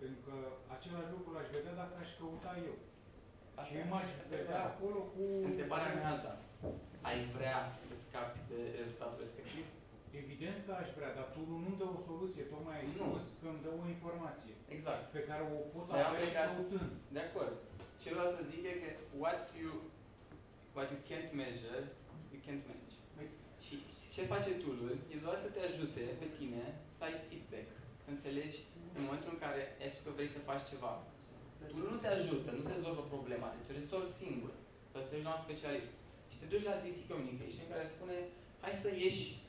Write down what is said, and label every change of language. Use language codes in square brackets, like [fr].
[ro] Pentru că același lucru l-aș vedea dacă aș căuta eu. Asta și m-aș vedea acolo cu... Întrebarea mea alta. Ai vrea să scapi de rezultatul respectiv? Evident că aș vrea, dar tu nu-mi dă o soluție, tocmai ai spus că îmi dă o informație. Exact. Pe care o pot avea și căutând. De acord. Ce vreau să zic e că [en] what you can't measure, you can't manage. [ro] Și ce face tool-ul e doar să te ajute pe tine să ai feedback, să înțelegi în momentul în care ai spus că vrei să faci ceva. Tool-ul nu te ajută, nu se rezolvă problema, deci o rezolvi singur. Sau să te duci la un specialist. Și te duci la DC Communication care spune, hai să ieși